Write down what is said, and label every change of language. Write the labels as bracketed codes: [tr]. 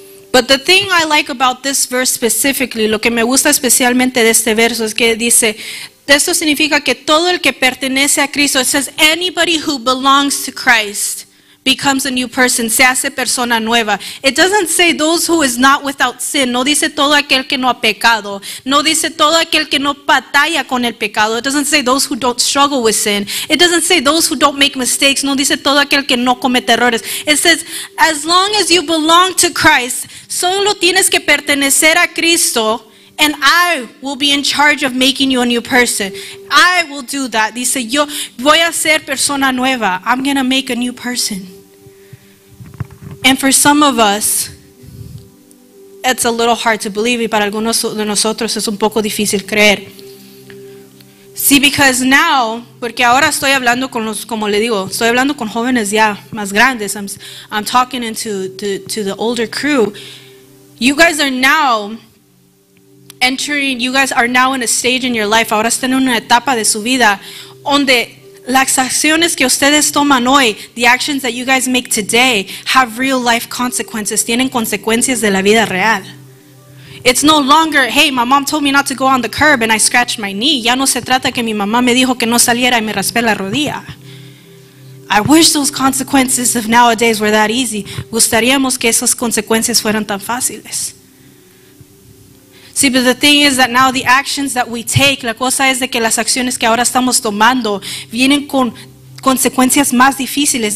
[en] But the thing I like about this verse specifically, [es] lo que me gusta especialmente de este verso es que dice, esto significa que todo el que pertenece a Cristo, [en] it says anybody who belongs to Christ becomes a new person, [es] se hace persona nueva. [en] It doesn't say those who is not without sin. [es] No dice todo aquel que no ha pecado. No dice todo aquel que no batalla con el pecado. [en] It doesn't say those who don't struggle with sin. It doesn't say those who don't make mistakes. [es] No dice todo aquel que no comete errores. [en] It says, as long as you belong to Christ, [es] solo tienes que pertenecer a Cristo, [en] and I will be in charge of making you a new person. I will do that. [es] Dice, yo voy a ser persona nueva. [en] I'm going to make a new person. And for some of us, it's a little hard to believe. [es] Y para algunos de nosotros es un poco difícil creer. [en] See, because now, [es] porque ahora estoy hablando con los, como le digo, estoy hablando con jóvenes ya más grandes. [en] I'm talking into the older crew. You guys are now entering, you guys are now in a stage in your life, [es] ahora están en una etapa de su vida, donde las acciones que ustedes toman hoy, [en] the actions that you guys make today, have real life consequences, [es] tienen consecuencias de la vida real. [en] It's no longer, hey, my mom told me not to go on the curb and I scratched my knee. [es] Ya no se trata que mi mamá me dijo que no saliera y me raspé la rodilla. [en] I wish those consequences of nowadays were that easy. [es] Gustaríamos que esas consecuencias fueran tan fáciles. [en] See, but the thing is that now the actions that we take, [es] la cosa es de que las acciones que ahora estamos tomando vienen con consecuencias más difíciles.